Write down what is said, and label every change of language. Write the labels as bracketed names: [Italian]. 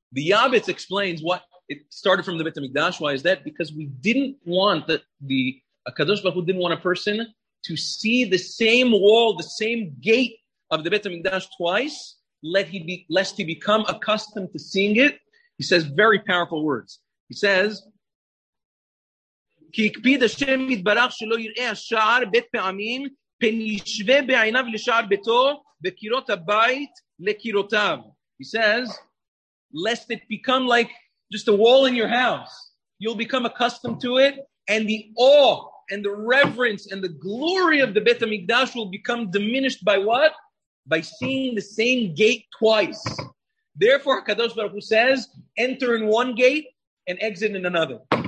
[English] The Yabetz explains what it started from the Beit HaMikdash. Why is that? Because we didn't want the Kadosh Baruch Hu didn't want a person to see the same wall, the same gate of the Beit HaMikdash twice, lest he become accustomed to seeing it. He says very powerful words. He says, [Hebrew] כי הקפיד השם יתברך שלא יראה השער בית פעמים, פן ישווה בעיניו לשער ביתו, בקירות הבית לקירותיו. [English] He says, lest it become like just a wall in your house. You'll become accustomed to it, and the awe, and the reverence, and the glory of the Beit HaMikdash will become diminished by what? By seeing the same gate twice. Therefore, HaKadosh Baruch Hu says, enter in one gate, and exit in another.